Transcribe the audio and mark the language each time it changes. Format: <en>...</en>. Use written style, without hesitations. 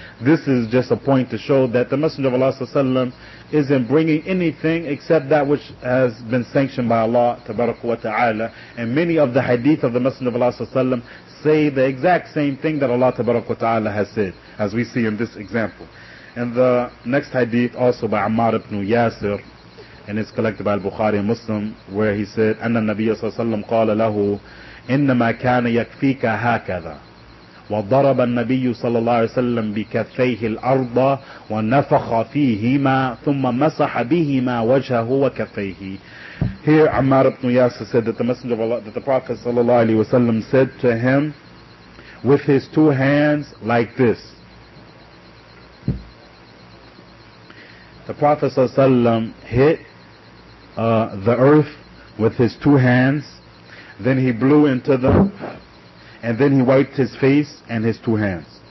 <en>This is just a point to show that the Messenger of Allah ﷺ isn't bringing anything except that which has been sanctioned by Allah tabaraka wa ta'ala. And many of the hadith of the Messenger of Allah ﷺ say the exact same thing that Allah tabaraka wa ta'ala has said, as we see in this example. And the next hadith also by Ammar ibn Yasir, and it's collected by al-Bukhari and Muslim, where he said,</en> <ar>أن النبي صلى الله عليه وسلم قال له, إنما كان يكفيك هكذا, وضرب النبي صلى الله عليه وسلم بكفيه الأرض ونفخ فيهما ثم مسح بهما وجهه وكفيه.</ar> <en>Here Ammar ibn Yasir said that the Messenger of Allah, that the Prophet صلى الله عليه وسلم said to him, with his two hands like this. The Prophet ﷺ hit the earth with his two hands, then he blew into them, and then he wiped his face and his two hands.</en>